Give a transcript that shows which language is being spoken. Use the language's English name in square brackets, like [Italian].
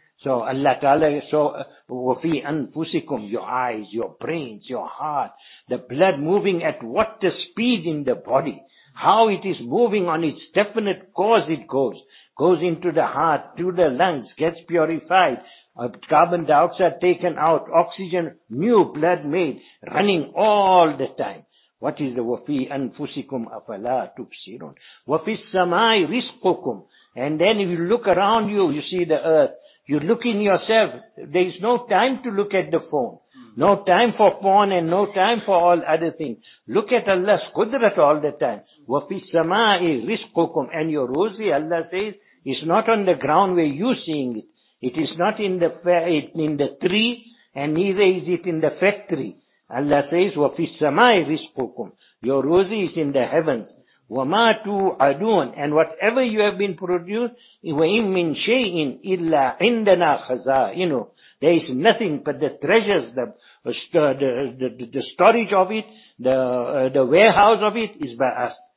[English] So Allah Ta'ala, so [Arabic] وَفِي أَنفُسِكُمْ, [English] your eyes, your brains, your heart, the blood moving at what the speed in the body, how it is moving on its definite course it goes into the heart, to the lungs, gets purified, carbon dioxide taken out, oxygen, new blood made, running all the time. What is the [Arabic] وَفِي أَنفُسِكُمْ أَفَلَا تُبْصِرُونَ وَفِي السَّمَاءِ رِزْقُكُمْ. [English] And then if you look around you, you see the earth. You look in yourself. There is no time to look at the phone. No time for porn and no time for all other things. Look at Allah's Qudrat all the time. [Arabic] وَفِي السَّمَاءِ رِزْقُكُمْ. [English] And your rosy, Allah says, is not on the ground where you seeing it. It is not in the tree, and neither is it in the factory. Allah says, [Arabic] وَفِي السَّمَاءِ رِزْقُكُمْ. [English] Your rosy is in the heavens. [Arabic] وَمَا تُوْعَدُونَ. [English] And whatever you have been produced, [Arabic] وَإِن مِّن شَيْءٍ إِلَّا عِنْدَنَا خَزَائِنُ. [English] There is nothing but the treasures, the storage of it, the warehouse of it is by us.